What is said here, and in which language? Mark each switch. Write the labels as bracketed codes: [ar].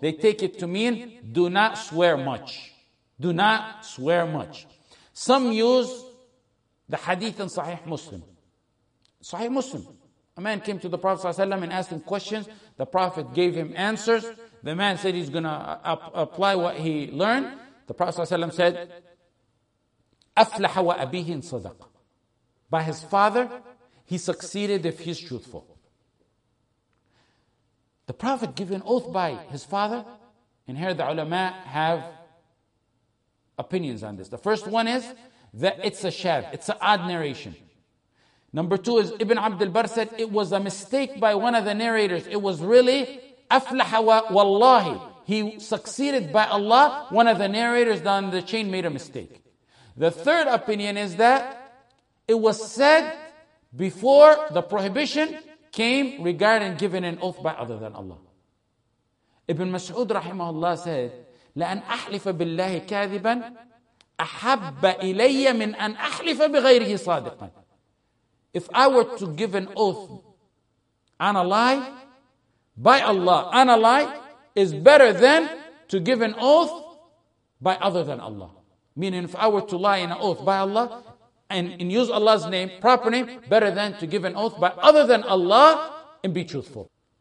[en] They take it to mean, do not swear much. Do not swear much. Some use the hadith in Sahih Muslim. Sahih Muslim. A man came to the Prophet ﷺ and asked him questions. The Prophet gave him answers. The man said he's going to apply what he learned. The Prophet ﷺ said, [ar] أَفْلَحَ وَأَبِيهِ إِنْ صَدَقَ. [en] By his father, he succeeded if he's truthful. The Prophet gave an oath by his father, and here the ulama have opinions on this. The first one is that it's a shadh, it's an odd narration. Number two is Ibn Abd al-Barr said it was a mistake by one of the narrators. It was really [ar] أَفْلَحَ وَاللَّهِ. [en] He succeeded by Allah. One of the narrators down the chain made a mistake. The third opinion is that it was said before the prohibition came regarding giving an oath by other than Allah. Ibn Mas'ud rahimahullah said, [ar] لَأَنْ أَحْلِفَ بِاللَّهِ كَاذِبًا أَحَبَّ إِلَيَّ مِنْ أَنْ أَحْلِفَ بِغَيْرِهِ صَادِقًا. [en] If I were to give an oath on a lie, by Allah, on a lie, is better than to give an oath by other than Allah. Meaning, if I were to lie in an oath by Allah and use Allah's name, proper name, better than to give an oath by other than Allah and be truthful.